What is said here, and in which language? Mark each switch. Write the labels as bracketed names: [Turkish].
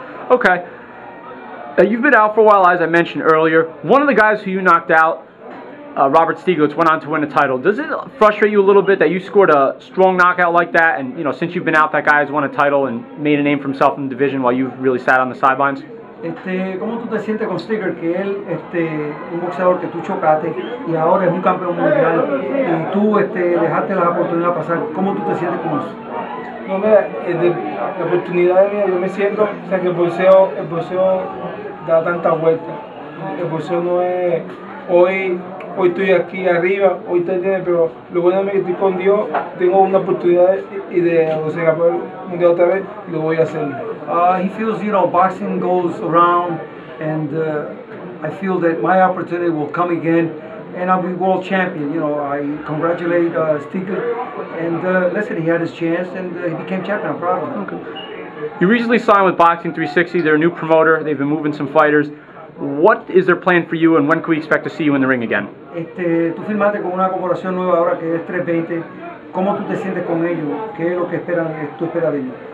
[English] Okay. You've been out for a while, as I mentioned earlier. One of the guys who you knocked out, Robert Stieglitz, went on to win a title. Does it frustrate you a little bit that you scored a strong knockout like that, and you know, since you've been out, that guy has won a title and made a name for himself in the division while you've really sat on the sidelines? [Spanish] ¿Cómo tú te sientes con Stieglitz, que él un boxeador que tú chocaste y ahora es un campeón mundial y tú dejaste la oportunidad pasar? ¿Cómo tú te sientes con eso? No, mira, la oportunidad mía, yo me siento, o sea, que el boxeo da tantas vueltas. El boxeo no es hoy estoy aquí arriba, hoy te entiendes, pero lo bueno es que estoy con Dios, tengo una oportunidad y de boxear por un día otra vez, y lo voy a hacer. [English] He feels, you know, boxing goes around, and I feel that my opportunity will come again. And I'll be world champion, you know. I congratulate Stieglitz. And listen, he had his chance and he became champion. I'm proud of him. Okay. You recently signed with Boxing 360. They're a new promoter. They've been moving some fighters. What is their plan for you and when can we expect to see you in the ring again? [Spanish] Tú firmaste con una corporación nueva ahora que es 320. ¿Cómo tú te sientes con ellos? ¿Qué es lo que tú esperas de ellos?